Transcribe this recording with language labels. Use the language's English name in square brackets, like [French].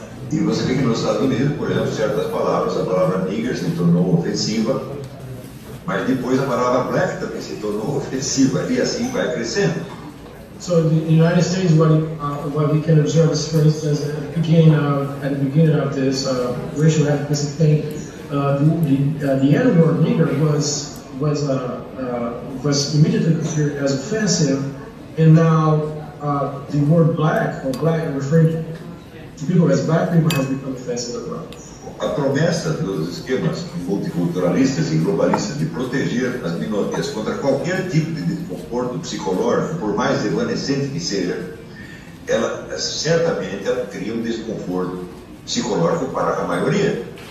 [Portuguese] E você vê que nos Estados Unidos, por exemplo, certas palavras, a palavra nigger se tornou ofensiva. Mas depois a palavra black também se tornou ofensiva e assim vai crescendo. [English] So in the United States, what we can observe is, for instance, at the beginning of this racial advocacy thing, the N-word nigger was immediately considered as offensive, and now the word black or black referring to people as black people has become offensive as well. [Portuguese] A promessa dos esquemas multiculturalistas e globalistas de proteger as minorias contra qualquer tipo de desconforto psicológico, por mais evanescente que seja, ela certamente cria um desconforto psicológico para a maioria.